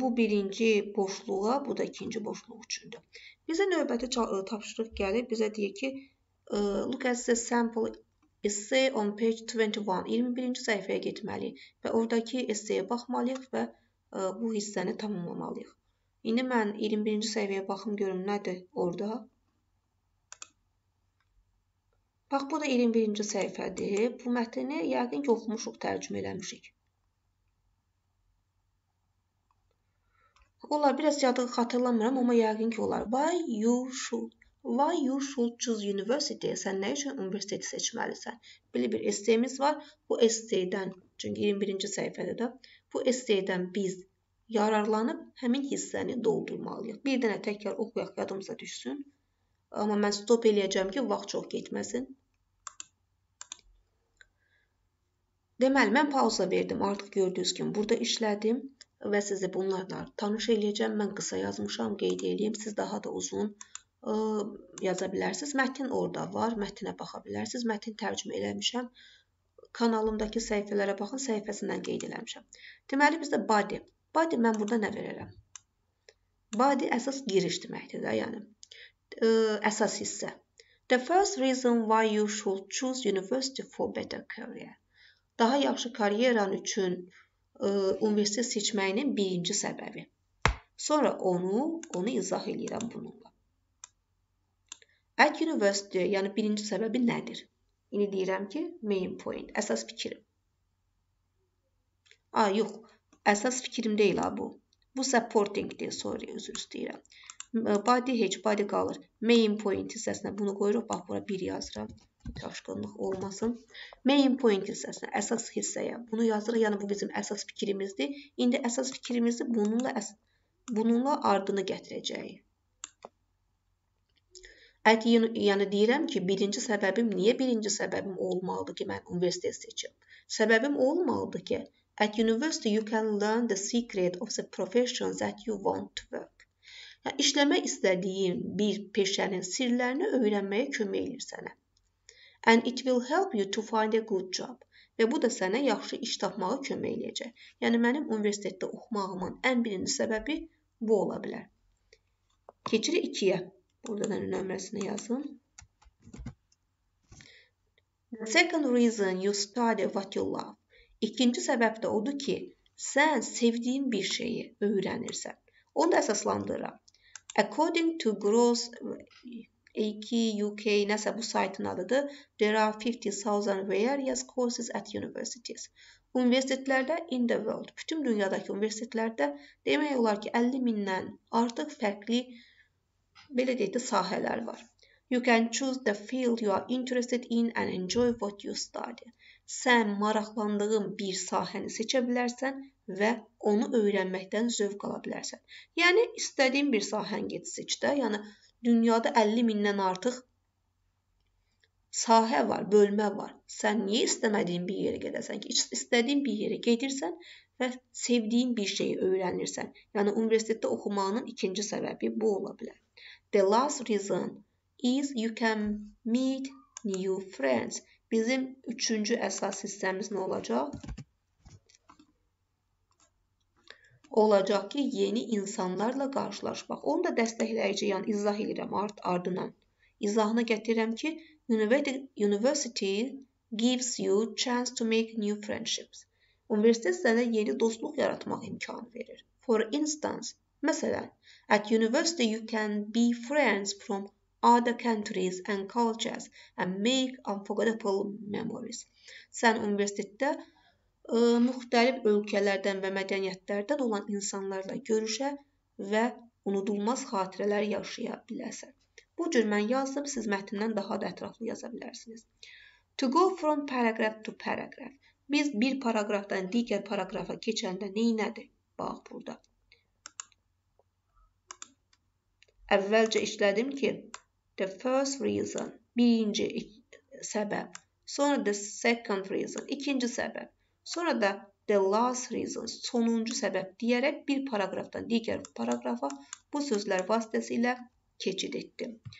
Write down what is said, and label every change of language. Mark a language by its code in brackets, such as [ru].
[az] Bu birinci boşluğa, bu da ikinci boşluq üçündür. Bizə növbəti tapşırıq gəlir. Bizə deyir ki, [en] look at the sample essay on page 21. [az] 21-ci səhifəyə getməliyik. Və oradakı essayə baxmalıyıq və bu hissəni tamamlamalıyıq. İndi mən 21-ci səhifəyə baxım görüm nədir orada. Bax, bu da 21-ci səhifədir. Bu mətni yəqin ki, oxumuşuq, tərcümə eləmişik. Onlar biraz yadığı xatırlamıram, amma yəqin ki, onlar [en] Why you should choose university? [az] Sən nə üçün universiteti seçməlisən? Belə bir esteyimiz var. Bu esteydən, çünki 21-ci səhifədə də, bu esteydən biz yararlanıb həmin hissəni doldurmalıyıq. Bir dənə təkrar oxuyaq, yadımıza düşsün. Amma mən stop eləyəcəm ki, vaxt çox getməsin. Deməli, mən pauza verdim. Artıq gördüyünüz kimi burada işlədim. Və sizi bunlarla tanış eləyəcəm. Mən qısa yazmışam, qeyd eləyim. Siz daha da uzun yaza bilərsiniz. Mətin orada var. Mətinə baxa bilərsiniz. Mətin tərcümə eləmişəm. Kanalımdakı səhifələrə baxın. Səhifəsindən qeyd eləmişəm. Deməli, bizdə body. Body mən burada nə verirəm? Body əsas giriş deməkdir. Yəni, əsas hissə. [en] The first reason why you should choose university for better career. [az] Daha yaxşı kariyeran üçün universitet seçməyinin birinci səbəbi. Sonra onu izah edirəm bununla. [en] At university, [az] yəni birinci səbəbi nədir? İndi deyirəm ki, main point, əsas fikrim. A, yox, əsas fikrim deyil ha bu. Bu supportingdir, [en] sorry, [az] özür istəyirəm. Body, heç body qalır. Main point hissəsinə bunu qoyuruq, bax, bura bir yazıram. Çaşqınlıq olmasın. Main point hissəsinə, əsas hissəyə bunu yazırıq. Yəni, bu bizim əsas fikrimizdir. İndi əsas fikrimizi bununla ardını gətirəcək. Yəni, deyirəm ki, birinci səbəbim, niyə birinci səbəbim olmalıdır ki, mən universitet seçim? Səbəbim olmalıdır ki, [en] at university you can learn the secret of the profession that you want to work. [az] Yəni, işləmək istədiyin bir peşənin sirlərini öyrənməyə kömək edir sənə. [en] And it will help you to find a good job. [az] Və bu da sənə yaxşı iş tapmağa kömək edəcək. Yəni, mənim universitetdə oxumağımın ən birinci səbəbi bu ola bilər. Keçirik 2-yə. Burada da nömrəsini yazın. [en] The second reason you study what you love. [az] İkinci səbəb də odur ki, sən sevdiyin bir şeyi öyrənirsən. Onu da əsaslandıram. According to Gross... AK, UK, nəsə bu saytın adıdır. [en] There are 50,000 various courses at universities. [az] Universitetlərdə [en] in the world, [az] bütün dünyadakı universitetlərdə demək olar ki, 50 mindən artıq fərqli belə deyək də, sahələr var. [en] You can choose the field you are interested in and enjoy what you study. [az] Sən maraqlandığın bir sahəni seçə bilərsən və onu öyrənməkdən zövq ala bilərsən. Yəni, istədiyin bir sahən get seç də, yəni, dünyada 50 mindən artıq sahə var, bölmə var. Sən niyə istəmədiyin bir yerə gedəsən ki, istədiyin bir yerə gedirsən və sevdiyin bir şeyi öyrənirsən. Yəni, universitetdə oxumağının ikinci səbəbi bu ola bilər. [en] The last reason is you can meet new friends. [az] Bizim üçüncü əsas hissəmiz nə olacaq? Olacaq ki, yeni insanlarla qarşılaşmaq. Onu da dəstəkləyici, yəni izah edirəm ardından. İzahına gətirirəm ki, [en] university gives you chance to make new friendships. [az] Universitet sənə yeni dostluq yaratmaq imkanı verir. [en] For instance, [az] məsələn, [en] at university you can be friends from other countries and cultures and make unforgettable memories. [az] Sən universitetdə müxtəlif ölkələrdən və mədəniyyətlərdən olan insanlarla görüşə və unudulmaz xatirələr yaşaya biləsən. Bu cür mən yazdım, siz mətndən daha da ətraflı yaza bilərsiniz. [en] To go from paragraph to paragraph. [az] Biz bir paragrafdan digər paragrafa keçəndə neynədir? Bax burada. Əvvəlcə işlədim ki, [en] the first reason, [az] birinci səbəb. Sonra [en] the second reason, [az] ikinci səbəb. Sonra da [en] the last reason, [az] sonuncu səbəb deyərək bir paragrafdan digər paragrafa bu sözlər vasitəsilə keçid etdim.